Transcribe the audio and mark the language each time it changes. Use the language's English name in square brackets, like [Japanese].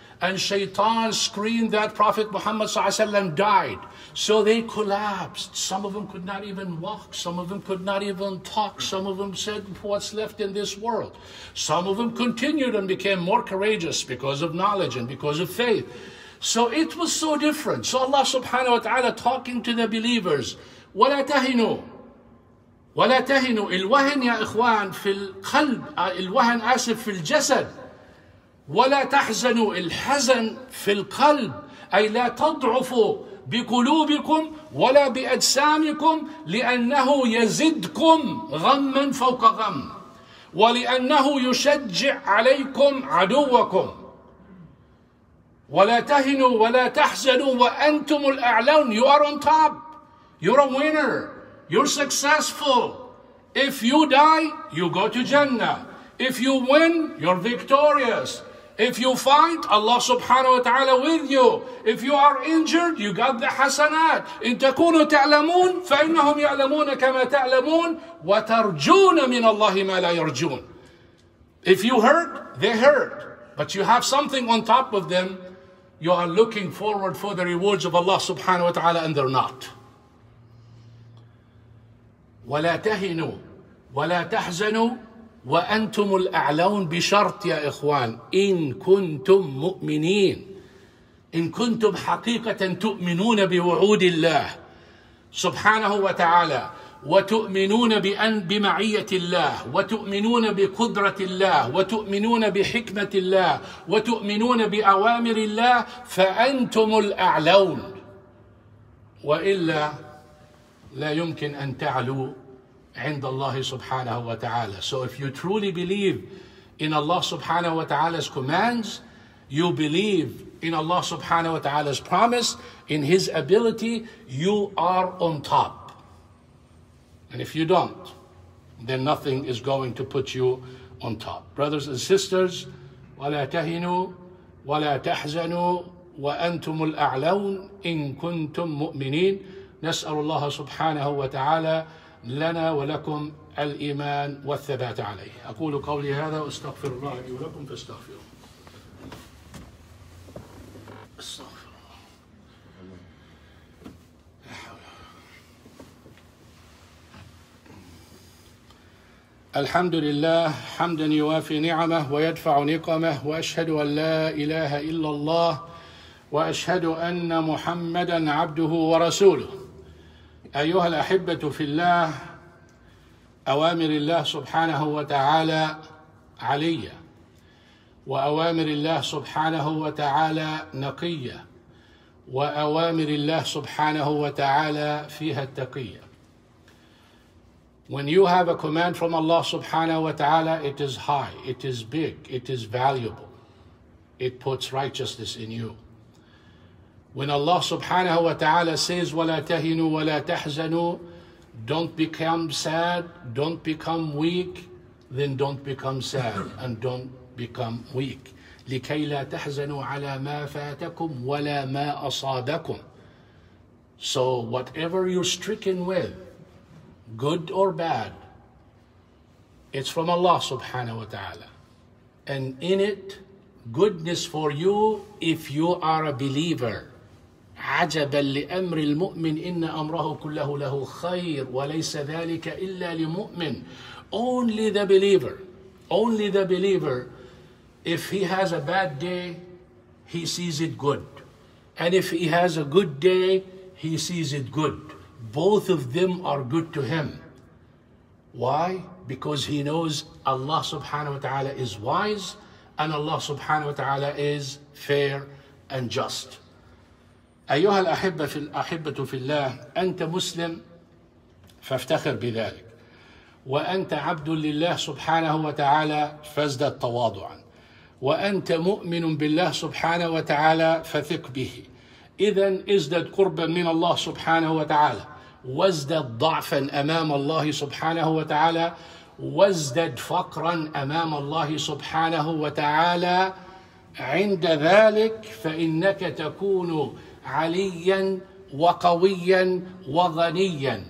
[English] And Shaitan screamed that Prophet Muhammad ﷺ died. So they collapsed. Some of them could not even walk. Some of them could not even talk. Some of them said, what's left in this world? Some of them continued and became more courageous because of knowledge and because of faith. So it was so different. So Allah subhanahu wa ta'ala talking to the believers, [Arabic] وَلَا تَهِنُوا وَلَا تَهِنُوا الْوَهَنْ يَا إِخْوَانْ فِي الْقَلْبِ الْوَهَنْ آسِفْ فِي الْجَسَدْ وَلَا تَحْزَنُوا الْحَزَنْ فِي الْقَلْبِ أي لا تضعفوا بقلوبكم ولا بأجسامكم لأنه يزدكم غما فوق غم ولأنه يشجع عليكم عدوكم ولا تهنوا ولا تحزنوا وأنتم الأعلون. [English] You are on top. You're a winner. You're successful. If you die, you go to Jannah. If you win, you're victorious. If you fight, Allah subhanahu wa ta'ala with you. If you are injured, you got the hasanat. [Arabic] إن تكونوا تعلمون فإنهم يعلمون كما تعلمون وترجون من الله ما لا يرجون. [English] If you hurt, they hurt. But you have something on top of them. You are looking forward for the rewards of Allah subhanahu wa ta'ala and they're not. [Arabic] ولا تهنوا ولا تحزنوا وأنتم الأعلون بشرط يا إخوان إن كنتم مؤمنين إن كنتم حقيقة تؤمنون بوعود الله سبحانه وتعالى وتؤمنون بأن بمعية الله وتؤمنون بقدرة الله وتؤمنون بحكمة الله وتؤمنون بأوامر الله فأنتم الأعلون وإلا لا يمكن أن تعلوا عند الله سبحانه وتعالى. [English] So if you truly believe in Allah subhanahu wa ta'ala's commands, you believe in Allah subhanahu wa ta'ala's promise, in His ability, you are on top. And if you don't, then nothing is going to put you on top. Brothers and sisters, [Arabic] وَلَا تَهِنُوا وَلَا تَحْزَنُوا وَأَنْتُمُ الْأَعْلَوْنَ إِن كُنْتُم مُؤْمِنِينَ. نَسْأَلُ اللَّهَ سُبْحَانَهُ وَتَعَالَى لنا ولكم الإيمان والثبات عليه. أقول قولي هذا وأستغفر الله لي ولكم فاستغفروه. استغفر الله. الحمد لله حمدا يوافي نعمه ويدفع نقمه وأشهد أن لا إله إلا الله وأشهد أن محمدا عبده ورسوله. أيها الأحبة في الله، أوامر الله سبحانه وتعالى علية، وأوامر الله سبحانه وتعالى نقية، وأوامر الله سبحانه وتعالى فيها التقية. [English] When you have a command from Allah [Arabic] سبحانه وتعالى, [English] it is high, it is big, it is valuable. It puts righteousness in you. When Allah subhanahu wa ta'ala says, [Arabic] وَلَا تَهِنُوا وَلَا تَحْزَنُوا, [English] don't become sad, don't become weak, then don't become sad and don't become weak. [Arabic] لِكَيْ لَا تَحْزَنُوا عَلَى مَا فَاتَكُمْ وَلَا مَا أَصَابَكُمْ. [English] So whatever you're stricken with, good or bad, it's from Allah subhanahu wa ta'ala. And in it, goodness for you if you are a believer. [Arabic] عجبا لأمر المؤمن إن أمره كله له خير وليس ذلك إلا لمؤمن. [English] Only the believer, only the believer, if he has a bad day, he sees it good. And if he has a good day, he sees it good. Both of them are good to him. Why? Because he knows Allah subhanahu wa ta'ala is wise and Allah subhanahu wa ta'ala is fair and just. [Arabic] أيها الأحبة في الأحبة في الله، أنت مسلم فافتخر بذلك، وأنت عبد لله سبحانه وتعالى فازدد تواضعا، وأنت مؤمن بالله سبحانه وتعالى فثق به، إذن ازدد قربا من الله سبحانه وتعالى، وازدد ضعفا أمام الله سبحانه وتعالى، وازدد فقرا أمام الله سبحانه وتعالى، عند ذلك فإنك تكون عليا وقويا وغنيا.